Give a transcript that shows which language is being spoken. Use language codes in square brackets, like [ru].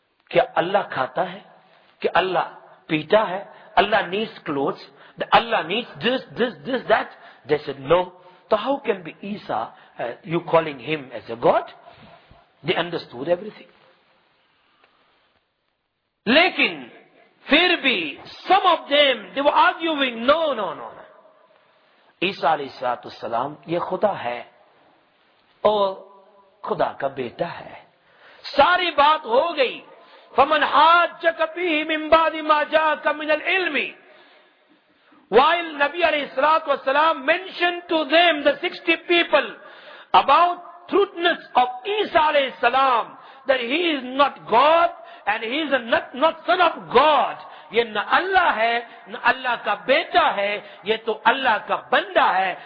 [ur] کیا اللہ کھاتا ہے؟ کیا اللہ پیتا ہے؟ اللہ [en] needs clothes. Allah needs this, that. They said, no. So how can be Isa, you calling him as a God? They understood everything. [ur] لیکن, پھر بھی, [en] some of them, they were arguing, no. [ur] عیسیٰ علیہ السلام, یہ خدا ہے. اور خدا کا بیٹا ہے. ساری بات ہو گئی. [ar] فَمَنْ حَاجَّكَ فِيهِ مِنْ بَعْدِ مَا جَاكَ مِنَ الْعِلْمِ. [en] While Nabi alayhi salatu wasalam mentioned to them, the 60 people, about truthness of Isa alayhi salam, that he is not God and he is not son of God. [ur] یہ نہ اللہ ہے نہ اللہ کا بیٹا ہے, یہ تو اللہ کا بندہ ہے.